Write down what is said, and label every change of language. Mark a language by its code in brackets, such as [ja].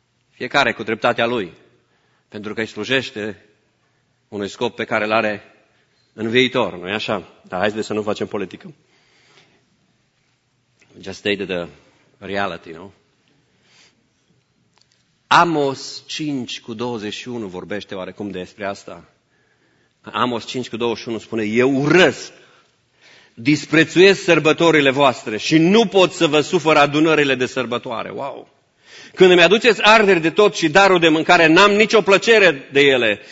[ro] Fiecare cu dreptatea lui. Pentru că îi slujește unui scop pe care îl are în viitor, nu-i așa? Dar haideți să nu facem politică. [en] just stated the reality, no? [ro] Amos 5 cu 21 vorbește oarecum despre asta. Amos 5 cu 21 spune: eu urăsc, disprețuiesc sărbătorile voastre și nu pot să vă sufăr adunările de sărbătoare. Wow! Când îmi aduceți arderi de tot și darul de mâncare, n-am nicio plăcere de ele.